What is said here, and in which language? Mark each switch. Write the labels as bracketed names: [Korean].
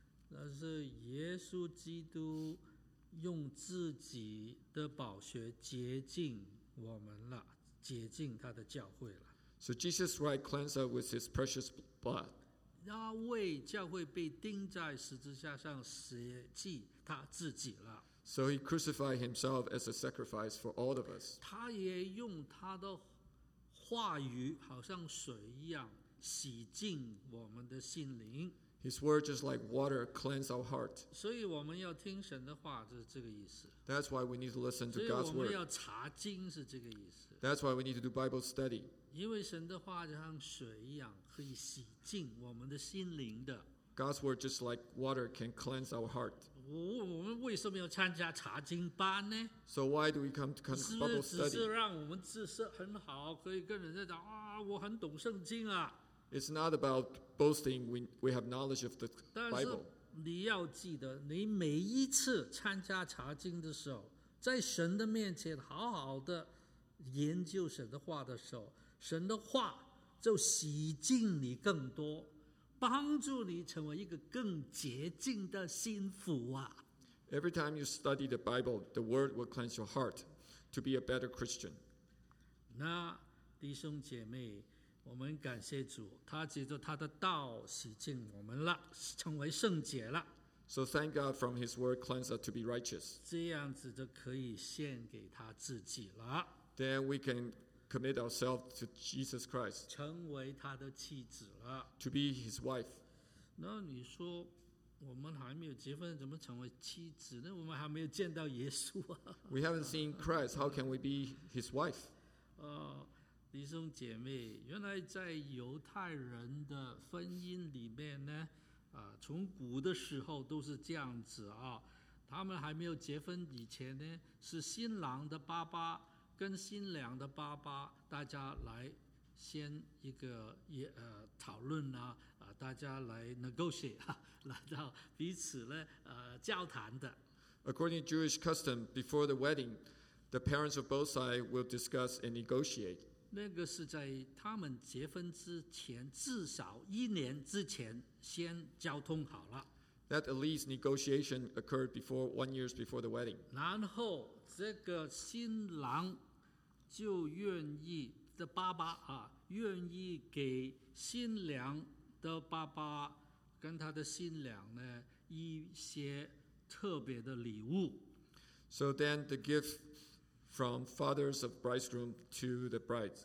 [Chinese] 那是耶稣基督用自己的宝血洁净我们了，洁净他的教会了。 [English] So Jesus Christ cleansed us with his precious blood. [Chinese] 那为教会被钉在十字架上舍弃他自己了。 [English] So he crucified himself as a sacrifice for all of us. [Chinese] 他也用他的话语，好像水一样，洗净我们的心灵。 [English] His word just like water cleanses our heart. [Chinese] 所以我们要听神的话，就是这个意思。 [English] That's why we need to listen to God's word. [Chinese] 所以我们要查经是这个意思。 [English] That's why we need to do Bible study. [Chinese] 因为神的话就像水一样，可以洗净我们的心灵的。 [English] God's word just like water can cleanse our heart. [Chinese] 我们为什么要参加查经班呢？ [English] So why do we come to Bible study? [Chinese] 是不是只是让我们知识很好，可以跟人家讲啊，我很懂圣经啊？ [English] It's not about boasting we have knowledge of the Bible. [Chinese] 但是你要记得，你每一次参加查经的时候，在神的面前好好的研究神的话的时候，神的话就洗净你更多，帮助你成为一个更洁净的心腹啊。 [English] Every time you study the Bible, the word will cleanse your heart to be a better Christian. [Chinese] 那弟兄姐妹，我们感谢主，他藉着他的道洗净我们了，成为圣洁了。 [English] So thank God from his word cleanse us to be righteous. [Chinese] 这样子就可以献给他自己了。 [English] Then we can commit ourselves to Jesus Christ. [Chinese] 成为他的妻子了。 [English] To be his wife. [Chinese] 那你说我们还没有结婚怎么成为妻子呢？我们还没有见到耶稣啊。 [English] We haven't seen Christ. How can we be his wife? [Chinese] 弟兄姐妹，原来在犹太人的婚姻里面呢，从古的时候都是这样子啊，他们还没有结婚以前呢，是新郎的爸爸跟新娘的爸爸，大家来先一个讨论啊，大家来 negotiate 啊，来到彼此呢交谈的。 [English] According to Jewish custom, before the wedding, the parents of both sides will discuss and negotiate. [Chinese] 那个是在他们结婚之前，至少一年之前。先交通好了。 [English] That at least negotiation occurred before 1 year before the wedding. [Chinese] 然后这个新郎就愿意的爸爸啊，愿意给新娘的爸爸跟他的新娘呢一些特别的礼物。 [English] So then the gift from fathers of bridegroom to the bride